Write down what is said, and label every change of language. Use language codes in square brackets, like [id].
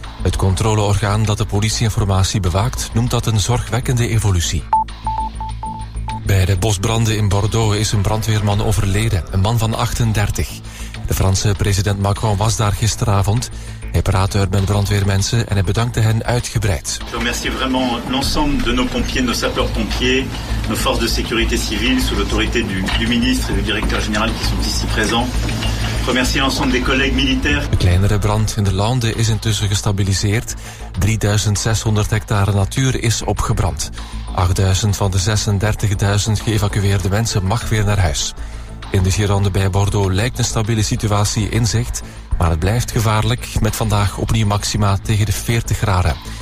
[nl] Het controleorgaan dat de politieinformatie bewaakt noemt dat een zorgwekkende evolutie. Bij de bosbranden in Bordeaux is een brandweerman overleden, een man van 38. De Franse president Macron was daar gisteravond. Hij praatte er met brandweermensen en hij bedankte hen uitgebreid. Ik bedank [fr] vraiment l'ensemble de nos pompiers, nos sapeurs-pompiers, nos forces de sécurité civile, sous l'autorité du ministre et du directeur général qui sont ici présents. [nl] Ik bedank [fr] l'ensemble des collègues militaires. [nl] De kleinere brand in de Landen is intussen gestabiliseerd. 3600 hectare natuur is opgebrand. 8000 van de 36.000 geëvacueerde mensen mag weer naar huis. In de Gironde bij Bordeaux lijkt een stabiele situatie in zicht. Maar het blijft gevaarlijk, met vandaag opnieuw maxima tegen de 40 graden.